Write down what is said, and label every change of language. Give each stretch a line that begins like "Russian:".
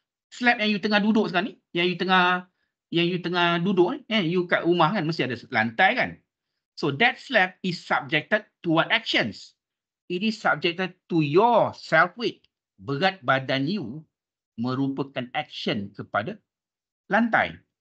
Malay: Slab yang you tengah duduk sekarang ni, yang you tengah duduk ni, you kat rumah kan, mesti ada lantai kan.
English: So that slab is subjected to what actions? It is subjected to your self weight.
Malay: Berat badan you merupakan action kepada lantai.